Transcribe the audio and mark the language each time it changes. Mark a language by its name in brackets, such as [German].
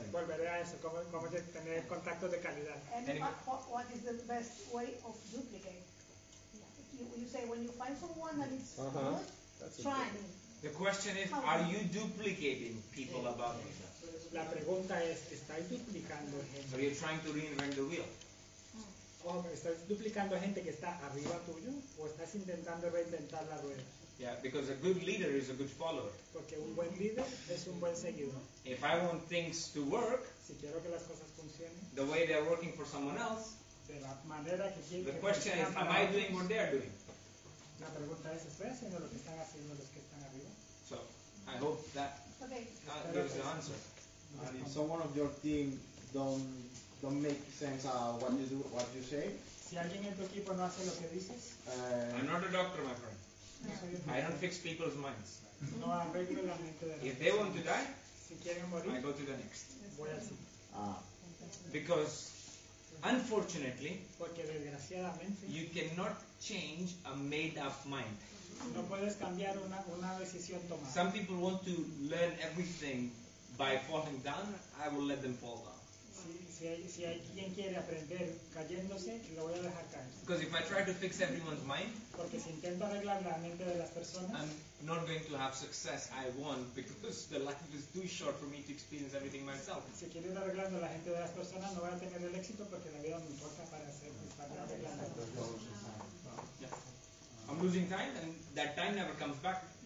[Spanish] Volveré a eso. ¿Cómo tener contactos de calidad? [English] And what is the best way of duplicating? You say when you find someone that is trying. The question is, are you duplicating people above you? [Spanish] La pregunta es, ¿estás duplicando gente? [English] Are you trying to reinvent the wheel? [Spanish] Oh, ¿estás duplicando gente que está arriba tuyo o estás intentando reinventar la rueda? [English] Yeah, because a good leader is a good follower. [Spanish] Porque un buen líder es un buen seguidor. [English] If I want things to work, [Spanish] si quiero que las cosas funcionen, [English] the way they are working for someone else, [Spanish] de la manera que quieren, [English] the question is, am I doing what they are doing? [Spanish] La pregunta es, ¿estoy haciendo lo que están haciendo los que están arriba? [English] So, I hope that gives the answer. And if someone of your team don't make sense of what you say, [Spanish] si alguien en tu equipo no hace lo que dices, [English] I'm not a doctor, my friend. I don't fix people's minds. [Spanish] No arreglo la mente de [English] if they want to die, [Spanish] si quieren morir, [English] I go to the next. [Spanish] Voy así. [English] Because unfortunately, [Spanish] porque desgraciadamente, [English] you cannot change a made-up mind. [Spanish] No puedes cambiar una decisión tomada. [English] Some people want to learn everything by falling down. I will let them fall down. [Spanish] Si alguien quiere aprender cayéndose, lo voy a dejar caer. [English] Because if I try to fix everyone's mind, [Spanish] porque si intento arreglar la mente de las personas, [English] I'm not going to have success I want because the life is too short for me to experience everything myself. [Spanish] Si quiero arreglando la mente de las personas, no voy a tener el éxito porque la vida me importa para hacer [English] I'm losing time and that time never comes back.